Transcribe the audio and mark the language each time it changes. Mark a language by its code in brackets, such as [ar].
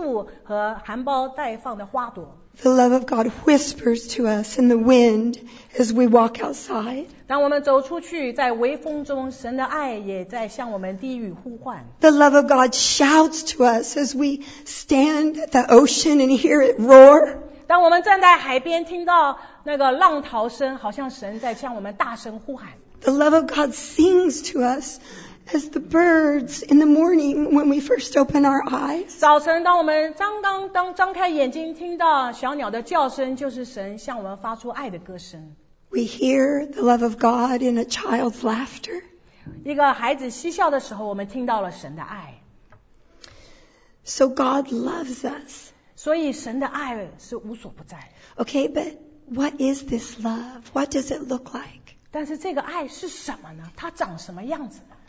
[zh] 春天你看见绿油油的树和含苞待放的花朵。 [en] The love of God whispers to us in the wind as we walk outside. [zh] 当我们走出去,在微风中,神的爱也在向我们低语呼唤。 [en] The love of God shouts to us as we stand at the ocean and hear it roar. [zh] 当我们站在海边听到那个浪涛声,好像神在向我们大声呼喊。 [en] The love of God sings to us as the birds in the morning when we first open our eyes. [zh] 早晨当我们刚刚张开眼睛听到小鸟的叫声就是神向我们发出爱的歌声。 [en] We hear the love of God in a child's laughter. [zh] 一个孩子嬉笑的时候我们听到了神的爱。 [en] So God loves us. [zh] 所以神的爱是无所不在的。 [en] Okay, but what is this love? What does it look like? [zh] 但是这个爱是什么呢?它长什么样子呢?